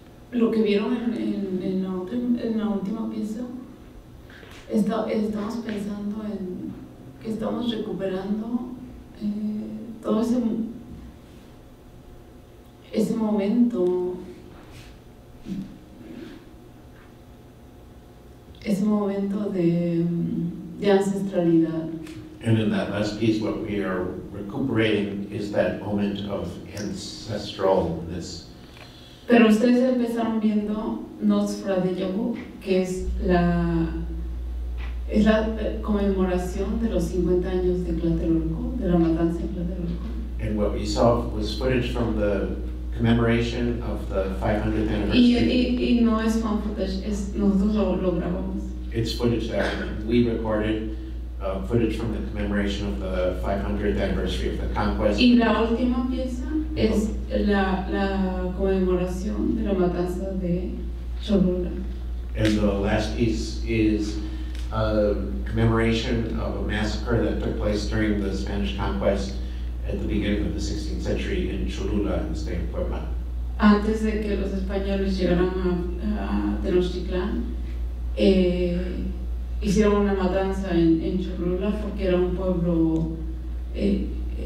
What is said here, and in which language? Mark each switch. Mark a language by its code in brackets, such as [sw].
[es] lo que vieron en la última pieza, estamos pensando en que estamos recuperando todo ese momento, ese momento de ancestralidad. [en] And in that last piece, what we are recuperating is that moment of ancestralness. [es] Pero ustedes empezaron viendo Nosfra de Yahoo, que es la conmemoración de los 50 años de Tlatelolco, de la matanza de Tlatelolco. [en] And what we saw was footage from the commemoration of the 500th anniversary. [es] Y no es fan footage, nosotros lo grabamos. [en] It's footage that we recorded, footage from the commemoration of the 500th anniversary of the conquest. [es] Y la última pieza es la conmemoración de la matanza de Cholula. [en] And the last piece is a commemoration of a massacre that took place during the Spanish conquest at the beginning of the 16th century in Cholula, in the state of Puebla. [es] Antes de que los españoles llegaran a Tenochtitlan, hicieron una matanza en Cholula porque era un pueblo religioso.